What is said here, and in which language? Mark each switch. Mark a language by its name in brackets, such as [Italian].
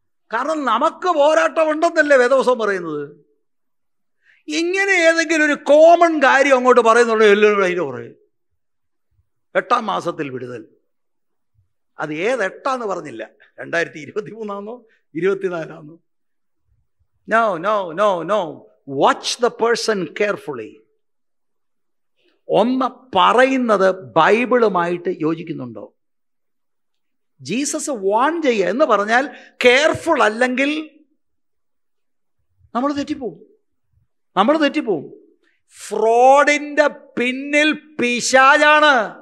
[Malayalam] കാരണം നമുക്ക് പോരാട്ടം ഉണ്ടെന്നല്ലേ വേദവസം പറയുന്നത്. ഇങ്ങനെ ഏതെങ്കിലും ഒരു കോമൺ കാര്യം അങ്ങോട്ട് പറയുന്നുണ്ടോ? എല്ലാവരും അതിന് പറയും, 8 വിടുതൽ. അത് ഏത് 8 പറഞ്ഞില്ല, 2023 No. [English] Watch the person carefully. [Malayalam] ഒന്ന് പറയുന്നത് ബൈബിളുമായിട്ട് യോജിക്കുന്നുണ്ടോ? ജീസസ് വാൺ ചെയ്യുക എന്ന് പറഞ്ഞാൽ കെയർഫുൾ, അല്ലെങ്കിൽ നമ്മൾ തെറ്റിപ്പോവും. നമ്മൾ തെറ്റിപ്പോവും. ഫ്രോഡിൻ്റെ പിന്നിൽ പിശാചാണ്.